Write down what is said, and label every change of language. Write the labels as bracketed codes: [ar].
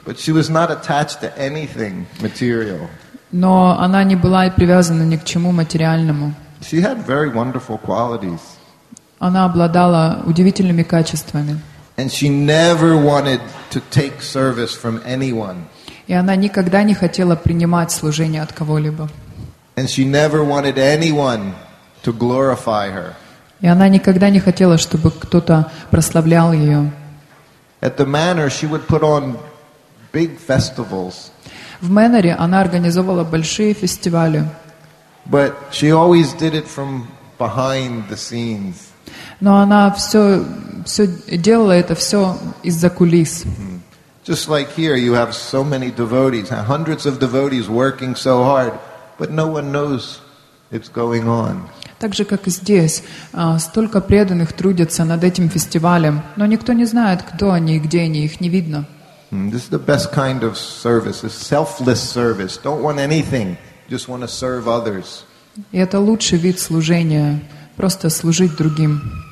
[en] But she was not attached to anything material. [ru] Но она не была привязана ни к чему материальному. [en] She had very wonderful qualities. [ru] Она обладала удивительными качествами. [en] And she never wanted to take service from anyone. [ru] И она никогда не хотела принимать служение от кого-либо. [en] And she never wanted anyone to glorify her. [ru] И она никогда не хотела, чтобы кто-то прославлял ее. [en] At the manor, she would put on big festivals. [ru] В мэноре она организовывала большие фестивали. [en] But she always did it from behind the scenes. [ru] Но она все делала это все из-за кулис. [en] Just like here, you have so many devotees, hundreds of devotees working so hard. But no one knows it's going on. [ru] Так же, как и здесь, столько преданных трудятся над этим фестивалем, но никто не знает, кто они и где они, их не видно. [en] This is the best kind of service, a selfless service. Don't want anything, just want to serve others. [ru] И это лучший вид служения, просто служить другим.